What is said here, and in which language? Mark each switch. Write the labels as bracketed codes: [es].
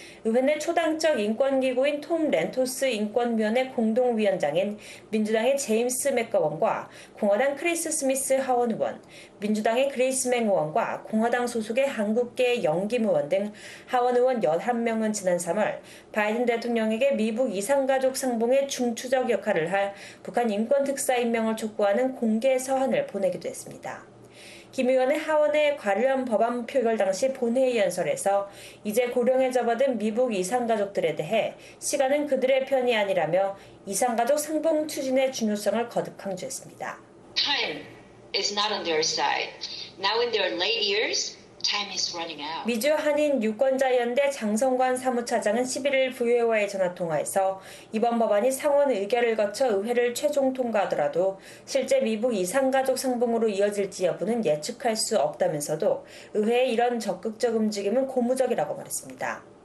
[ko] 의회는 초당적 인권기구인 톰 렌토스 인권위원회 공동위원장인 민주당의 제임스 맥거원과 공화당 크리스 스미스 하원 의원, 민주당의 그레이스 맥 의원과 공화당 소속의 한국계 영김 의원 등 하원 의원 11명은 지난 3월 바이든 대통령에게 미북 이산가족 상봉의 중추적 역할을 할 북한 인권특사 임명을 촉구하는 공개 서한을 보내기도 했습니다. 김 의원은 하원의 관련 법안 표결 당시 본회의 연설에서 이제 고령에 접어든 미북 이산가족들에 대해 시간은 그들의 편이 아니라며 이산가족 상봉 추진의 중요성을 거듭 강조했습니다. [en] Time is not on their side. Now in their late years, time is running out. [ko] 미주 한인 유권자연대 장성관 사무차장은 11일 VOA 전화통화에서 이번 법안이 상원 의결을 거쳐 의회를 최종 통과하더라도 실제 미북 이산가족 상봉으로 이어질지 여부는 예측할 수 없다면서도 의회의 이런 적극적 움직임은 고무적이라고 말했습니다.